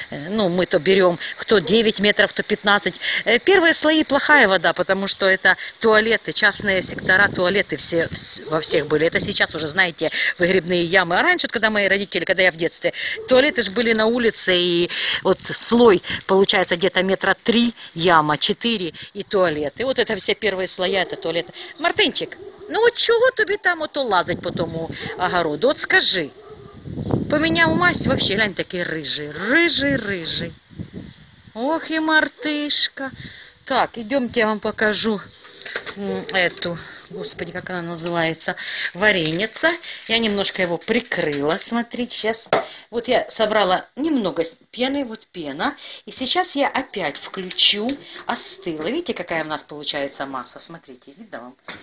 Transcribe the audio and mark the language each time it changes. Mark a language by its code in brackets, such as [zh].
[ru] Ну, мы то берем, кто 9 метров, кто 15. Первые слои плохая вода, потому что это туалеты, частные сектора, туалеты все во всех были. Это сейчас уже, знаете, выгребные ямы. А раньше, когда мои родители, когда я в детстве, туалеты же были на улице, и вот слой получается где-то метра 3, яма 4 и туалеты. Вот это все первые слоя, это туалеты. Мартинчик! [uk] Ну от чого тобі там ото лазить по тому огороду? От скажи. Поміняв мазь, вообще, глянь, такий рижий. Рижий. Ох і мартишка. [ru] Так, йдемте, я вам покажу эту, господи, как она называется, вареница. Я немножко его прикрыла, смотрите, сейчас. Вот я собрала немного пены, вот пена. И сейчас я опять включу, остыла. Видите, какая у нас получается масса, смотрите, видно вам.